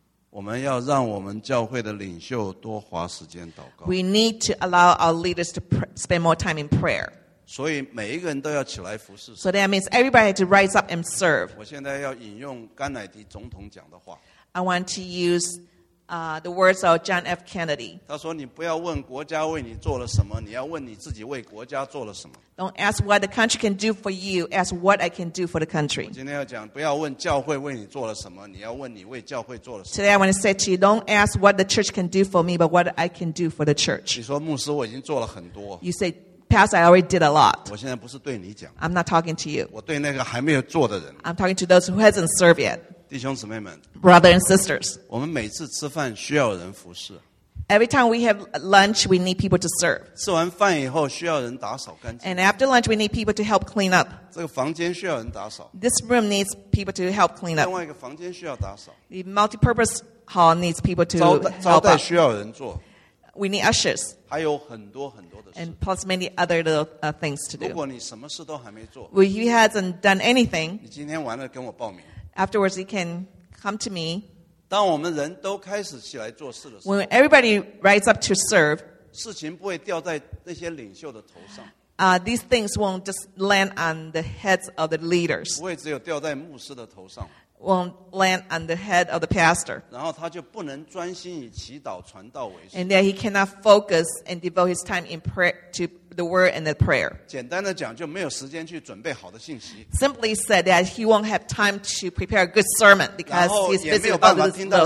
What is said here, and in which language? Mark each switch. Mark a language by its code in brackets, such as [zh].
[zh] 我们要让我们教会的领袖多花时间祷告。 [en] We need to allow our leaders to spend more time in prayer. [zh] 所以每一个人都要起来服侍。 [en] So that means everybody to rise up and serve. [zh] 我现在要引用甘乃迪总统讲的话。 [en] I want to use the words of John F. Kennedy. [zh] 他说：“你不要问国家为你做了什么，你要问你自己为国家做了什么。” [en] Don't ask what the country can do for you. Ask what I can do for the country. [zh] 今天要讲，不要问教会为你做了什么，你要问你为教会做了什么。 [en] Today I want to say to you, don't ask what the church can do for me, but what I can do for the church. [zh] 你说牧师我已经做了很多。 [en] You say, Pastor, I already did a lot. [zh] 我现在不是对你讲。 [en] I'm not talking to you. [zh] 我对那个还没有做的人。 [en] I'm talking to those who hasn't served yet. [zh] 弟兄姊妹们 [en] Brothers and sisters, [zh] 我们每次吃饭需要人服侍。 [en] Every time we have lunch, we need people to serve. [zh] 吃完饭以后需要人打扫干净。 [en] And after lunch, we need people to help clean up. [zh] 这个房间需要人打扫。 [en] This room needs people to help clean up. [zh] 另外一个房间需要打扫。 [en] The multipurpose hall needs people to help. [zh] 招待需要人做。 [en] We need ushers. [zh] 还有很多很多的事。 [en] And plus many other little things to do. [zh] 如果你什么事都还没做。 [en] Well, you haven't done anything. [zh] 你今天完了跟我报名。 [en] Afterwards, he can come to me. [zh] 当我们人都开始起来做事的时候 [en] When everybody rises up to serve, [zh] 事情不会掉在那些领袖的头上 [en] These things won't just land on the heads of the leaders. [zh] 不会只有掉在牧师的头上 [en] Won't land on the head of the pastor. [zh] 然后他就不能专心以祈祷传道为事 [en] And then he cannot focus and devote his time in prayer to the word and the prayer. [zh] 简单的讲，就没有时间去准备好的信息。 [en] Simply said that he won't have time to prepare a good sermon because he's busy about those things.